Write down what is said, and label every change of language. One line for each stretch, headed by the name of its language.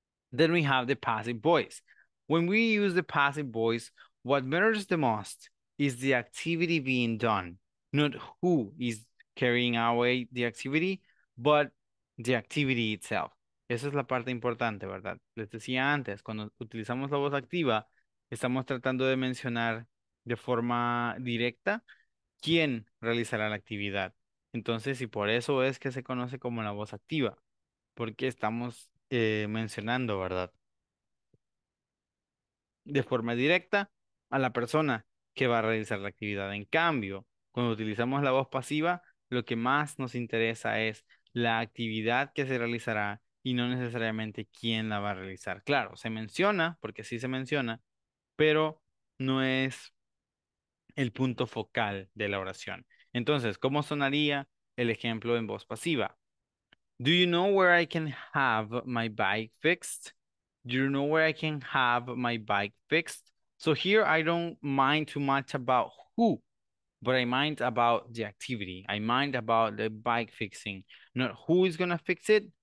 English: Then we have the passive voice. When we use the passive voice, what matters the most is the activity being done, not who is carrying away the activity, but the activity itself.
Spanish: Esa es la parte importante, ¿verdad? Les decía antes, cuando utilizamos la voz activa, estamos tratando de mencionar de forma directa quién realizará la actividad. Entonces, y por eso es que se conoce como la voz activa, porque estamos mencionando, ¿verdad? De forma directa a la persona que va a realizar la actividad. En cambio, cuando utilizamos la voz pasiva, lo que más nos interesa es la actividad que se realizará y no necesariamente quién la va a realizar. Claro, se menciona, porque sí se menciona, pero no es el punto focal de la oración. Entonces, ¿cómo sonaría el ejemplo en voz pasiva?
English: Do you know where I can have my bike fixed? Do you know where I can have my bike fixed? So here I don't mind too much about who, but I mind about the activity. I mind about the bike fixing. Not who is going to fix it.